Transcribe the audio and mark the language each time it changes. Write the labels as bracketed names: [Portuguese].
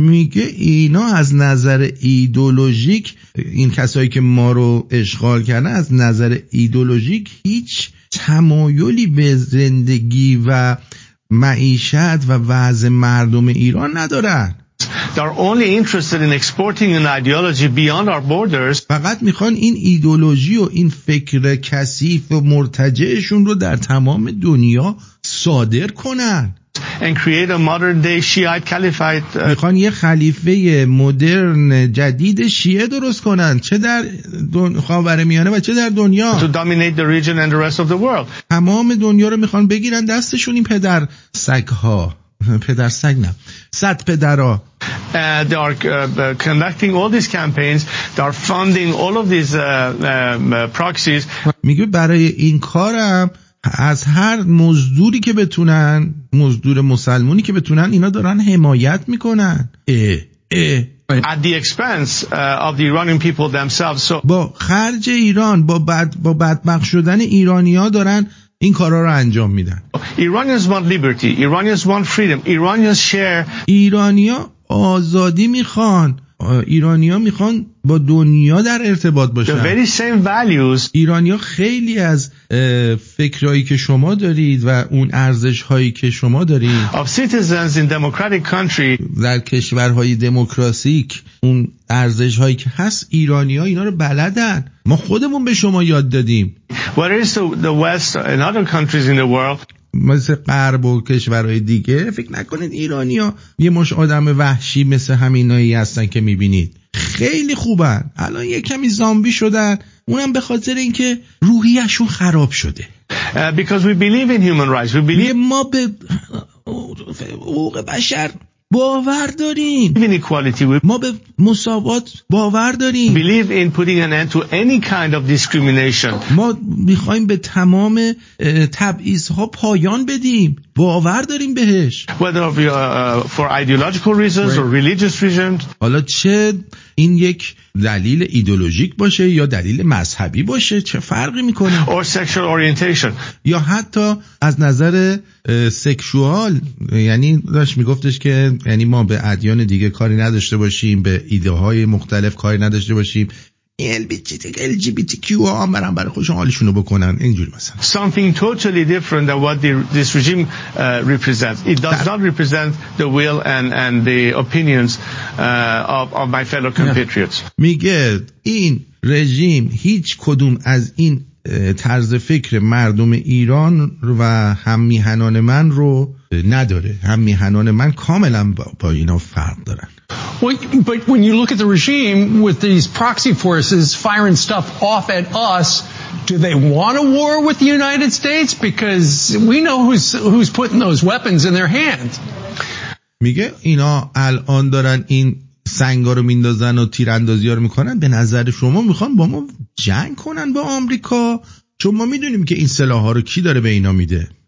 [Persian] میگه اینا از نظر ایدولوژیک، این کسایی که ما رو اشغال کردن از نظر ایدولوژیک هیچ تمایلی به زندگی و معیشت و وضع مردم ایران ندارن. [English] They are only interested in exporting an ideology beyond our borders. [Persian] فقط میخوان این ایدولوژی و این فکر کثیف و مرتجعشون رو در تمام دنیا صادر کنن. [English] And create a modern day Shiite caliphate. [Persian] میخوان یه خلیفه مدرن جدید شیعه درست کنن، چه در خاورمیانه و چه در دنیا. [English] To dominate the region and the rest of the world. [Persian] تمام دنیا رو میخوان بگیرن دستشون این پدر سگها. پدر سگ نه، صد پدرها. [English] They are conducting all these campaigns. They are funding all of these proxies. [Persian] میگه برای این کارم از هر مزدوری که بتونن، مزدور مسلمونی که بتونن، اینا دارن حمایت میکنن. [English] At the expense of the Iranian people themselves. So [Persian] با خرج ایران، با بدبخت شدن ایرانی ها دارن این کارا رو انجام میدن. [English] Iranians want liberty. Iranians want freedom. Iranians share. [Persian] ایرانی ها آزادی میخوان. ایرانی ها میخوان با دنیا در ارتباط باشن. [English] The very same values. [Persian] ایرانی ها خیلی از فکرهایی که شما دارید و اون ارزش هایی که شما دارید [English] of citizens in democratic country. [Persian] در کشورهای دموکراسیک اون ارزش هایی که هست، ایرانی ها اینا رو بلدن. ما خودمون به شما یاد دادیم. [English] What is the west and other countries in the world. [Persian] مثل غرب و کشورهای دیگه فکر نکنید ایرانی ها یه مش آدم وحشی مثل همینایی هستن که میبینید. خیلی خوبن، الان یه کمی زامبی شدن، اونم به خاطر اینکه روحیشون خراب شده. [English] Because we believe in human rights. We believe... [Persian] ما به حقوق بشر باور داریم. ما به مساوات باور داریم. [English] Believe in putting an end to any kind of discrimination. [Persian] ما میخوایم به تمام تبعیض‌ها پایان بدیم. باور داریم بهش. [English] Whether for ideological reasons or religious reasons. [Persian] حالا چه این یک دلیل ایدئولوژیک باشه یا دلیل مذهبی باشه چه فرقی میکنه؟ [English] Or sexual orientation. [Persian] یا حتی از نظر سکشوال، یعنی داشت میگفتش که یعنی ما به ادیان دیگه کاری نداشته باشیم، به ایده های مختلف کاری نداشته باشیم. LGBTQ ها هم برن برای خودشون حالشون رو بکنن، اینجوری مثلا. [English] Something totally different than what this regime represents. It does not represent the will and the opinions of my fellow compatriots. [Persian] میگه این رژیم هیچ کدوم از این طرز فکر مردم ایران و هممیهنان من رو نداره. هممیهنان من کاملا با اینا فرق دارن. [English] But when you look at the regime with these proxy forces firing stuff off at us, do they want a war with the United States? Because we know who's putting those weapons in their hands. [Persian] میگه اینا الان دارن این سنگا رو میندازن و تیراندازی ها رو میکنن، به نظر شما میخوان با ما جنگ کنن با آمریکا؟ چون ما میدونیم که این سلاح ها رو کی داره به اینا میده.